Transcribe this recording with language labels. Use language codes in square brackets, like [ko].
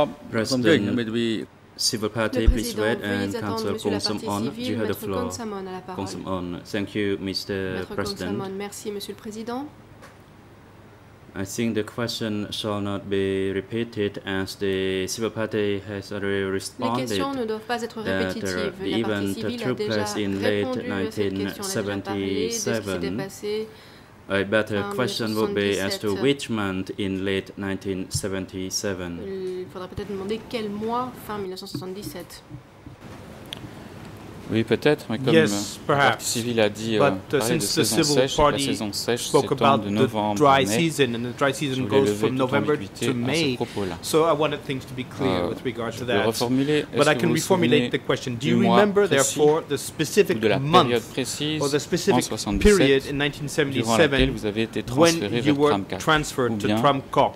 [en] President, maybe civil party, please wait, and Council Kong Samon, you have the floor. Kong Samon, thank you, Mr. President. [fr] Merci, Monsieur le Président. [en] I think the question shall not be repeated, as the civil party has already responded. [fr] Les questions ne doivent pas être répétitives. La partie civile a déjà répondu à cette question. Elle a déjà parlé de ce qui s'est passé. [en] A better question would be as to which month in late 1977. [fr] Il faudra peut-être demander quel mois fin 1977. Oui, peut-être, mais comme [en] yes, perhaps. [fr] Le parti civil a dit, [en] since the civil party spoke about the dry season, and the dry season goes from November to May, so I wanted things to be clear with regard to that. But I can reformulate the question. Do you remember, therefore, the specific month or the specific period in 1977 when you were transferred to Tramcock?